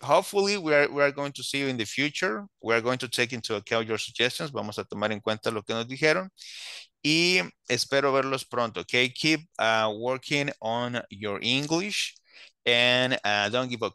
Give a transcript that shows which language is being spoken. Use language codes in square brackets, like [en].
[en] Hopefully, we are going to see you in the future. We are going to take into account your suggestions. [es] Vamos a tomar en cuenta lo que nos dijeron. Y espero verlos pronto, okay? [en] Keep working on your English and don't give up.